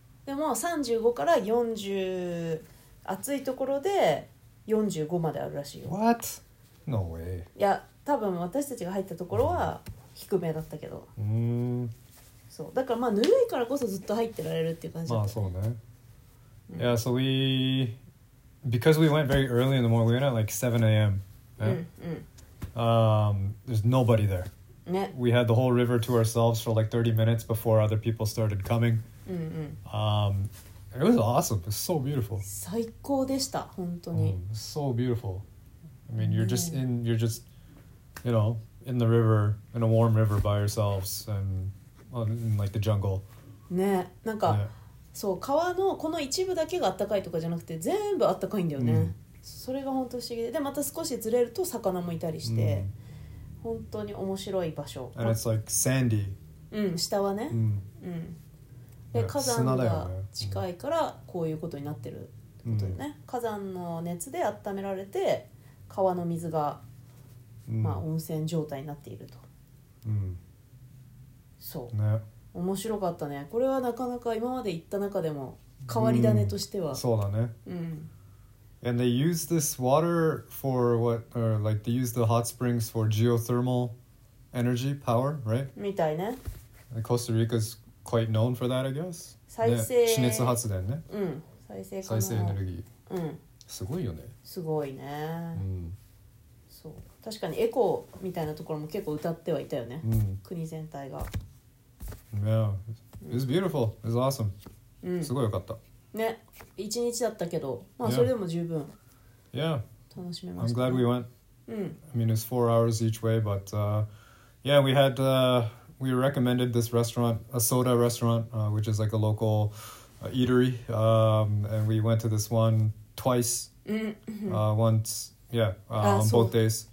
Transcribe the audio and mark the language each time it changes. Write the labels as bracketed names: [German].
[Japanese] でも35から40、暑いところで45まであるらしいよ。 [English] What? No way. [Japanese] いや、多分私たちが入ったところは低めだったけど。そう。だからまあぬるいからこそずっと入ってられるっていう感じ。まあそうね。 [English] Yeah, so we, because we went very early in the morning, we went at like 7 a.m. Yeah? There's nobody there. Yeah. We had the whole river to ourselves for like 30 minutes before other people started coming. It was awesome. It was so beautiful. [Japanese] 最高でした、本当に。 [English] So beautiful. I mean, you're just in, you're just, you know, in the river, in a warm river by yourselves and in like the jungle. [Japanese] ね、なんか、yeah. そう川のこの一部だけがあったかいとかじゃなくて全部あったかいんだよね、うん、それが本当不思議ででまた少しずれると魚もいたりして、うん、本当に面白い場所 [English] And it's like sandy [Japanese] うん、下はね、うんうん、で火山が近いからこういうことになってるってことね、うん、火山の熱で温められて川の水が、うん、まあ温泉状態になっていると、うん、そう、ね、面白かったね。これはなかなか今まで行った中でも変わり種としては、うん、そうだね、うん、 [English] And they use this water for what, or like they use the hot springs for geothermal energy power, right? [Japanese] みたいね。 [English] And Costa Rica is quite known for that, I guess. [Japanese] 再生、ね、地熱発電ね。うん、再生可能。再生エネルギー。うん。すごいよね。すごいね。うん。そう、確かにエコみたいなところも結構歌ってはいたよね。うん。国全体が。 [English] Yeah, it's beautiful. It's awesome. [Japanese] うん。すごいよかった。ね、一日だったけど、まあそれでも十分。 [English] Yeah. [Japanese] 楽しめました、 [English] ね。I'm glad we went. [Japanese] うん。 [English] I mean, it's 4 hours each way, but yeah, we had we recommended this restaurant, a soda restaurant, which is like a local eatery, and we went to this one twice. once, yeah, on both days.